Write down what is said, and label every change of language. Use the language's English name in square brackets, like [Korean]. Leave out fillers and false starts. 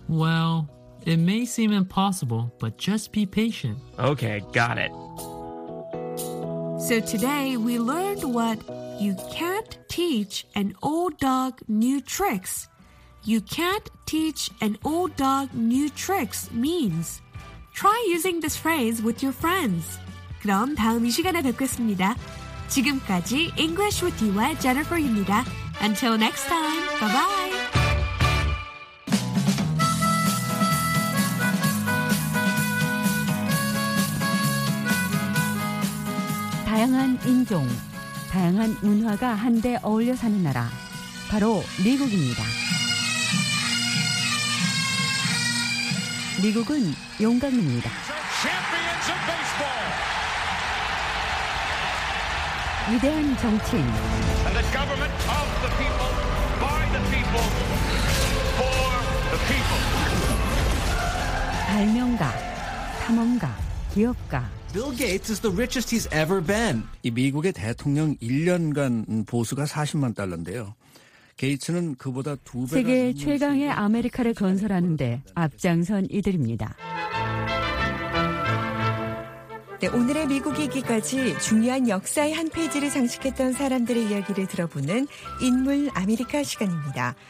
[English] Well, it may seem impossible, but just be patient. Okay, got it. So today we learned what you can't teach an old dog new tricks. You can't teach an old dog new tricks means. Try using this phrase with your friends. [Korean] 그럼 다음 이 시간에 뵙겠습니다. 지금까지 [English] English with you의 Jennifer입니다. Until next time, bye-bye. [Korean] Inzong, 다양한 문화가 한데 어울려 사는 나라, 바로 미국입니다. 미국은 용감입니다. [English] Champions of baseball. [Korean] 위대한 정치인. [English] And the government of the people, by the people, for the people. [Korean] 발명가, 탐험가, 기업가. [English] Bill Gates is the richest he's ever been. [Korean] 이 미국의 대통령 1년간 보수가 40만 달러인데요. 게이츠는 그보다 두 배가 세계 최강의 아메리카를 건설하는데 앞장선 이들입니다. 네, 오늘의 미국이기까지 중요한 역사의 한 페이지를 장식했던 사람들의 이야기를 들어보는 인물 아메리카 시간입니다.